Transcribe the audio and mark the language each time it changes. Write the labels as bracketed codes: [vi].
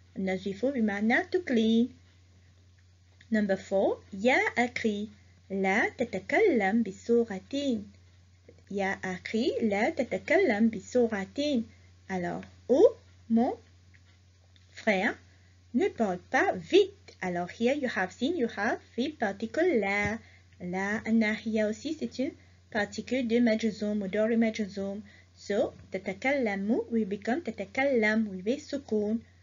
[ar] أنظف بمعنى [en] to clean. Number 4. [ar] يا أخي لا تتكلم بسرعة. يا أخي لا تتكلم بسرعة. [fr] Alors, oh mon frère, ne parle pas vite [en] Alors, here you have seen, you have three particles là. [fr] Là, en arrière aussi, c'est une particule de majusome ou d'ordre majusome. [en] So, tatakalamu will become tatakalam with a sukun.